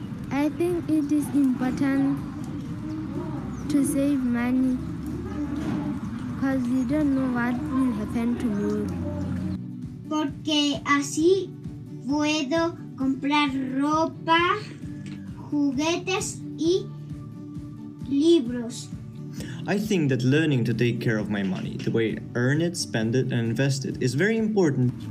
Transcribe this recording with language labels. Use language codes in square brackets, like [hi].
[en] I think it is important to save money because you don't know what will happen tomorrow. [es] Porque así puedo comprar ropa, juguetes y libros. [en] I think that learning to take care of my money, the way I earn it, spend it and invest it, is very important.